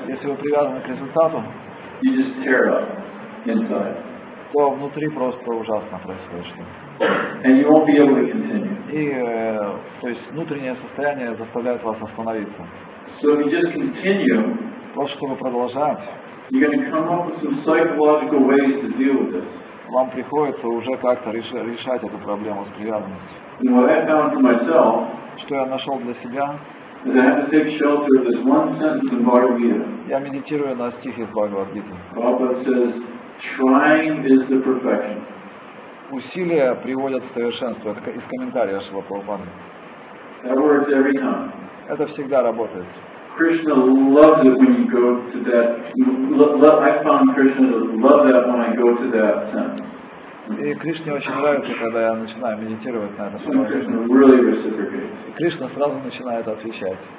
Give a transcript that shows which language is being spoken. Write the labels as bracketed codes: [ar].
[ru] если вы привязаны к результату, [en] you just tear up inside. [ru] То внутри просто ужасно происходит что-то. [en] And you won't be able to continue. [ru] И то есть внутреннее состояние заставляет вас остановиться. [en] So if you just continue, [ru] просто чтобы продолжать, [en] you're going to come up with some psychological ways to deal with this. [ru] Вам приходится уже как-то решать эту проблему с привязанностью. [en] And what I found for myself, [ru] что я нашел для себя, [en] is I have to take shelter of this one sentence in Bhagavad Gita. [ru] Я медитирую на стихе из Бхагавад Гиты. [en] Prabhupada says, trying is the perfection. [ru] Усилия приводят к совершенству. Это из комментария Шрила Прабхупады. [en] That works every time. [ru] Это всегда работает. [en] Krishna loves it when you go to that. I found Krishna loves that when I go to that center. [ru] И Кришне очень нравится, когда я начинаю медитировать на этом. [en] So Krishna really reciprocates. [ru] И Кришна сразу начинает отвечать.